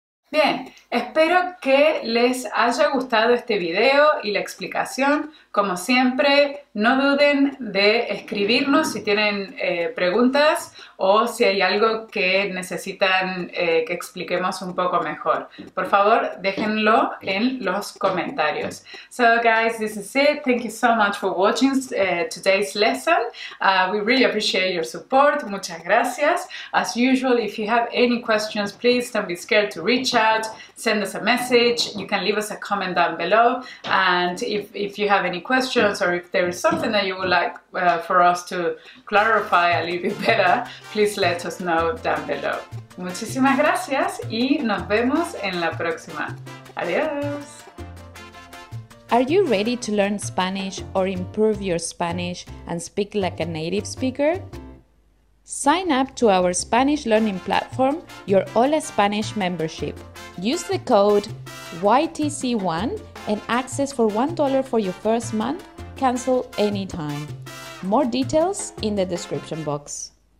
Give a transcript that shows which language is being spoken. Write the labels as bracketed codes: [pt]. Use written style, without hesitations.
[es] Bien, espero que les haya gustado este video y la explicación. Como siempre, no duden de escribirnos si tienen preguntas o si hay algo que necesitan que expliquemos un poco mejor. Por favor, déjenlo en los comentarios. [en] So, guys, this is it. Thank you so much for watching today's lesson. We really appreciate your support. [es] Muchas gracias. [en] As usual, if you have any questions, please don't be scared to reach out, send us a message. You can leave us a comment down below. And if you have any questions or if there is something that you would like for us to clarify a little bit better, please let us know down below. [es] Muchísimas gracias y nos vemos en la próxima. Adiós. [en] Are you ready to learn Spanish or improve your Spanish and speak like a native speaker? Sign up to our Spanish learning platform, your Hola Spanish membership. Use the code YTC1 and access for $1 for your first month. Cancel anytime. More details in the description box.